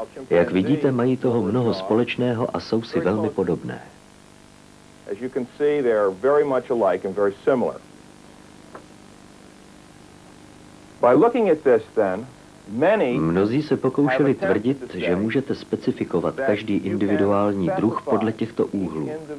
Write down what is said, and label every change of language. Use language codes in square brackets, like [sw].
[cs] Jak vidíte, mají toho mnoho společného a jsou si velmi podobné. [en] As you can see, they are very much alike and very similar. By looking at this, then, many. [cs] Mnozí se pokoušeli tvrdit, že můžete specifikovat každý individuální druh podle těchto úhlů.